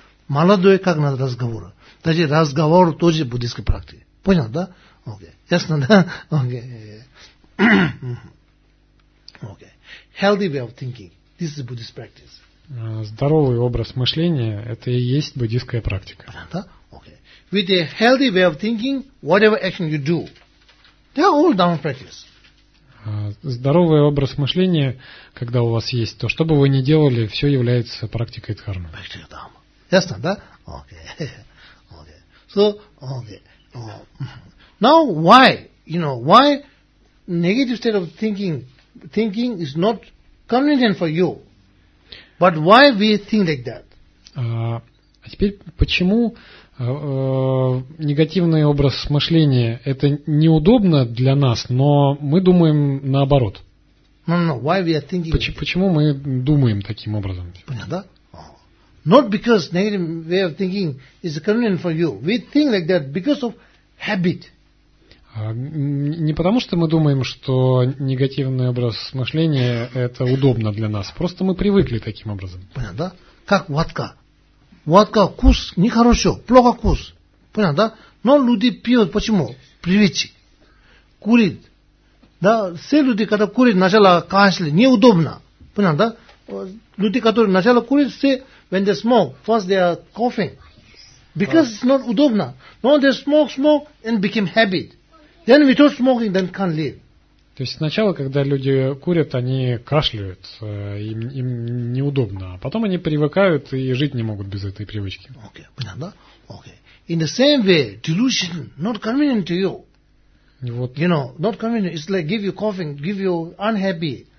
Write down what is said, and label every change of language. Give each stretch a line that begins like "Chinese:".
Russian: Молодой, как надо разговор. Даже разговор тоже буддийская практика. Понятно, да? Окей. Ясно, да? Окей. Окей. Healthy way of thinking.
English: This is Buddhist practice.
Russian: Здоровый образ мышления, это и есть буддийская практика. Понятно, да? Окей.
English: With a healthy way of thinking, whatever action you do, they are all dharma practice.
Russian: Здоровый образ мышления, когда у вас есть, то что бы вы ни делали, все является практикой дхармы. Практика дхармы. Ясно, да? Окей. Okay. So, okay. Now, why?
English: You know, why negative state of thinking is not convenient for you? But why we think like that?
Russian: А теперь, почему негативный образ мышления – это неудобно для нас, но мы думаем наоборот.
English: No, why we are thinking
Russian: почему мы думаем таким образом? Понятно, да?
English: Not because negative way of thinking is convenient for you. We think like that because of habit.
Russian: Не потому, что мы думаем, что негативный образ мышления это удобно для нас. Просто мы привыкли таким образом. Понятно, да? Как водка. Водка, вкус нехорошо, плохо вкус. Понятно, да? Но люди пьют, почему? Привычек. Курит. Да? Все люди, когда курят, сначала кашляют, неудобно. Понятно, да? Люди, которые сначала курят, все, when they smoke, first they are coughing.
English: Because it's not удобно. Но they smoke, and became habit. Then without smoking, then can't live.
Russian: То есть сначала, когда люди курят, они кашляют, им неудобно. А потом они привыкают и жить не могут без этой привычки. Okay, понятно, да? Okay.
English: In the same way, delusion not convenient to you.
Russian: Вот.
English: You know, not convenient. It's like give you coughing, give you unhappy.